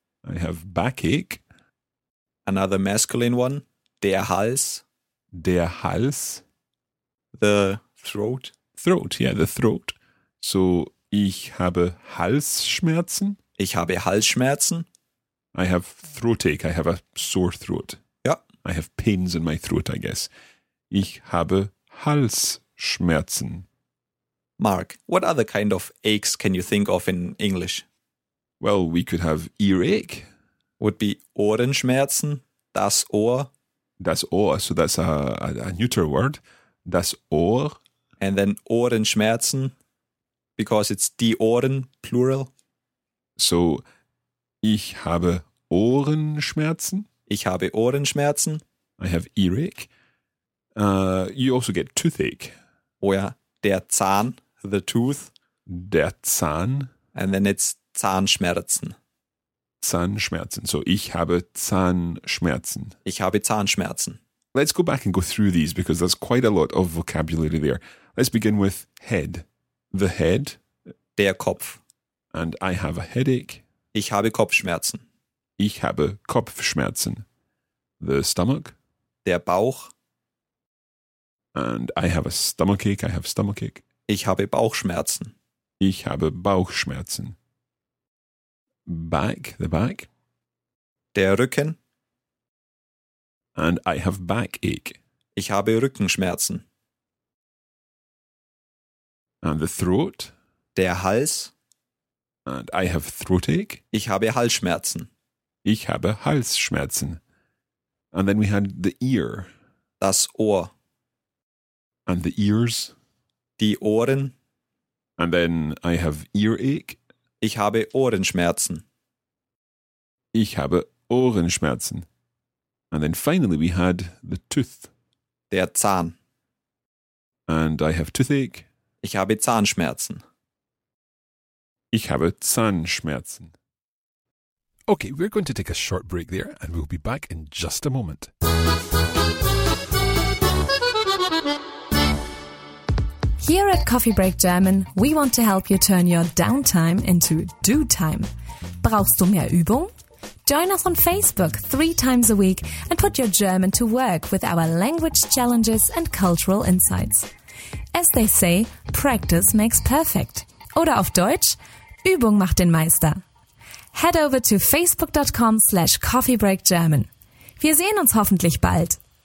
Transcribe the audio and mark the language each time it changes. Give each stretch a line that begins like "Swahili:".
English: I have backache. Another masculine one, der Hals.
German: Der Hals.
English: The throat. Throat, yeah, the throat.
German: So, ich habe Halsschmerzen. Ich habe Halsschmerzen.
English: I have throatache, I have a sore throat. I have pains in my throat, I guess.
German: Ich habe Halsschmerzen.
English: Mark, what other kind of aches can you think of in English? Well, we could have earache. Would be
German: Ohrenschmerzen, das Ohr.
English: Das Ohr, so that's a neuter word. Das Ohr. And then Ohrenschmerzen, because it's die Ohren, plural.
German: So, ich habe Ohrenschmerzen. Ich habe Ohrenschmerzen.
English: I have earache. You also get toothache.
German: Oh ja, der Zahn,
English: the tooth.
German: Der Zahn.
English: And then it's Zahnschmerzen.
German: Zahnschmerzen. So ich habe Zahnschmerzen. Ich habe Zahnschmerzen.
English: Let's go back and go through these because there's quite a lot of vocabulary there. Let's begin with head. The head.
German: Der Kopf.
English: And I have a headache.
German: Ich habe Kopfschmerzen. Ich habe Kopfschmerzen.
English: The stomach.
German: Der Bauch.
English: And I have a stomachache. I have stomachache.
German: Ich habe Bauchschmerzen. Ich habe Bauchschmerzen.
English: Back, the back.
German: Der Rücken.
English: And I have backache.
German: Ich habe Rückenschmerzen.
English: And the throat.
German: Der Hals.
English: And I have throatache.
German: Ich habe Halsschmerzen. Ich habe Halsschmerzen.
English: And then we had the ear.
German: Das Ohr.
English: And the ears.
German: Die Ohren.
English: And then I have earache.
German: Ich habe Ohrenschmerzen. Ich habe Ohrenschmerzen.
English: And then finally we had the tooth.
German: Der Zahn.
English: And I have toothache.
German: Ich habe Zahnschmerzen. Ich habe Zahnschmerzen.
English: Okay, we're going to take a short break there and we'll be back in just a moment. Here at Coffee Break German, we want to help you turn your downtime into do time.
German: Brauchst du mehr Übung?
English: Join us on Facebook 3 times a week and put your German to work with our language challenges and cultural insights. As they say, practice makes perfect.
German: Oder auf Deutsch, Übung macht den Meister.
English: Head over to
German: facebook.com/coffeebreakgerman. Wir sehen uns hoffentlich bald.